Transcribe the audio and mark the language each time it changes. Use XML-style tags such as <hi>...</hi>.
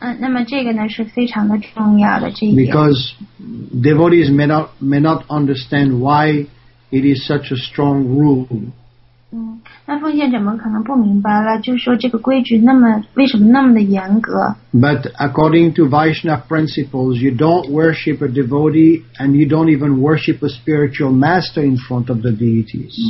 <zh>那么这个呢是非常的重要的这一点。</zh> <en>Because devotees may not understand why it is such a strong rule.</en> <zh>那奉献者们可能不明白了，就是说这个规矩那么为什么那么的严格。</zh> <en>But according to Vaishnava principles, you don't worship a devotee and you don't even worship a spiritual master in front of the deities.</en>